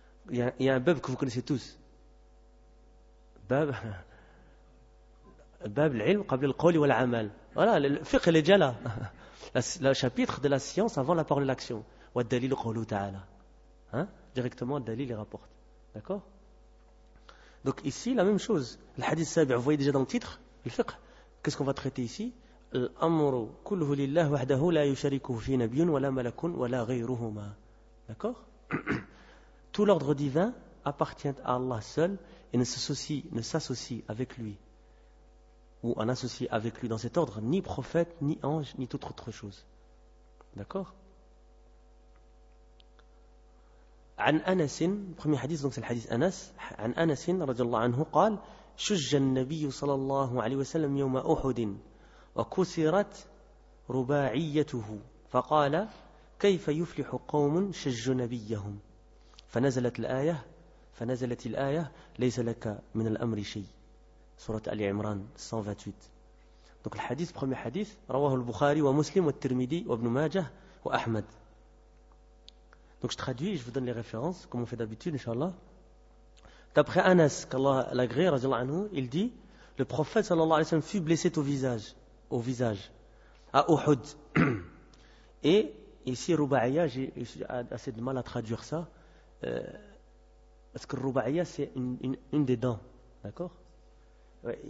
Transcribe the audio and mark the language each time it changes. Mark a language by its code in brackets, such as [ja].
[fr] Il y a un bab que vous connaissez tous. [ar] Bab al-ilm qabla al-qawli wa al-amal. [fr] Voilà, le fiqh il est déjà là. le chapitre de la science avant la parole et l'action. [ar] وَالدَّلِيلُ قَوْلُهُ تَعَالَى. [fr] Directement, le dalil les rapporte. D'accord ? Donc ici, la même chose. Le hadith sabi, vous voyez déjà dans le titre, le fiqh. Qu'est-ce qu'on va traiter ici ? [ar] الأمر كله لله وحده لا يشاركه فيه نبي ولا ملك ولا غيرهما. [fr] D'accord ? Tout l'ordre divin appartient à Allah seul et ne s'associe avec lui ou en associe avec lui dans cet ordre ni prophète, ni ange, ni toute autre chose. D'accord ? [ar] عن أنس, [fr] premier hadith, donc c'est le hadith Anas. [ar] عن أنس رضي الله عنه قال شج النبي صلى الله عليه وسلم يوم أحد وكسرت رباعيته فقال كيف يفلح قوم شج نبيهم فنزلت الآية ليس لك من الأمر شيء سورة آل عمران 128. [fr] Donc le hadith, premier hadith, [ar] رواه البخاري ومسلم والترمذي وابن ماجه وأحمد. [fr] Donc je traduis, je vous donne les références comme on fait d'habitude, inshallah. D'après Anas, qu'Allah l'agré, il dit, le prophète sallallahu alayhi wa sallam fut blessé au visage, à Uhud. Et ici, Ruba'iyah, j'ai assez de mal à traduire ça, parce que Ruba'iyah, c'est une des dents, d'accord ?